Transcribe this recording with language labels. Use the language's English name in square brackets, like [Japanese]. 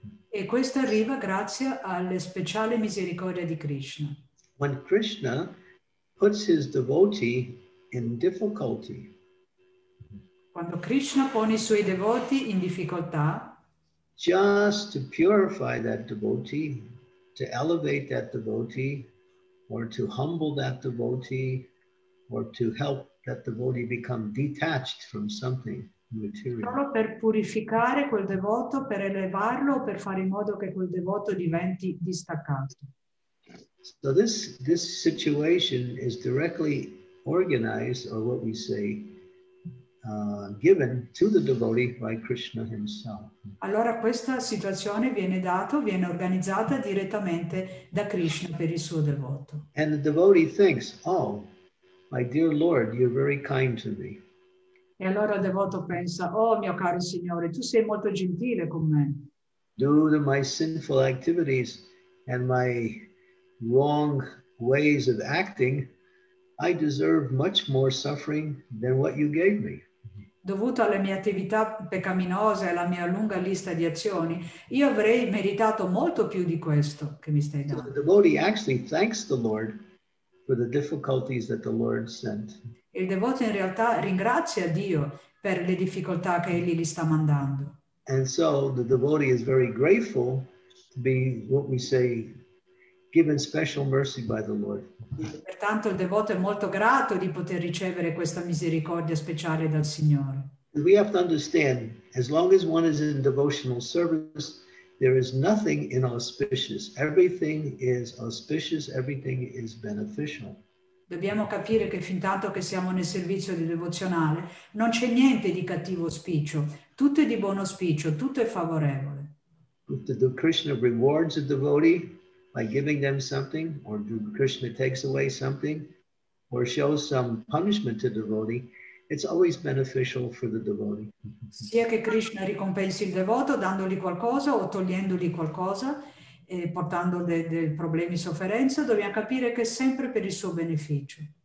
[Italian] E questo arriva grazie alle speciali misericordie di Krishna. [English] When Krishna puts his devotee in difficulty. [Italian] Quando Krishna pone i suoi devoti in difficoltà. [English] Just to purify that devotee, to elevate that devotee, or to humble that devotee, or to help that devotee become detached from something material. [Italian] Solo per purificare quel devoto, per elevarlo, per fare in modo che quel devoto diventi distaccato. [English] So this situation is directly organized, or what we say, given to the devotee by Krishna himself. [Italian] Allora questa situazione viene organizzata direttamente da Krishna per il suo devoto. [English] And the devotee thinks, oh, my dear Lord, you're very kind to me. [Italian] E allora il devoto pensa, oh mio caro Signore, tu sei molto gentile con me. [English] Due to my sinful activities and my wrong ways of acting, I deserve much more suffering than what you gave me. [Italian] Dovuto alle mie attività peccaminose e alla mia lunga lista di azioni, io avrei meritato molto più di questo che mi stai dando. [English] So the devotee actually thanks the Lord for the difficulties that the Lord sent. [Italian] Il devoto in realtà ringrazia Dio per le difficoltà che egli gli sta mandando. [English] And so the devotee is very grateful to be, what we say, given special mercy by the Lord. [Italian] Pertanto il devoto è molto grato di poter ricevere questa misericordia speciale dal Signore. [English] We have to understand, as long as one is in devotional service, there is nothing inauspicious. Everything is auspicious, everything is beneficial. [Italian] Dobbiamo capire che fin tanto che siamo nel servizio di devozionale, non c'è niente di cattivo auspicio. Tutto è di buon auspicio, tutto è favorevole. [English] The Krishna rewards a devotee by giving them something, or Krishna takes away something, or shows some punishment to the devotee, it's always beneficial for the devotee. [Italian] Sia che Krishna ricompensi il devoto dandogli qualcosa o togliendogli qualcosa, portando dei problemi, sofferenza, dobbiamo capire che è sempre per il suo beneficio.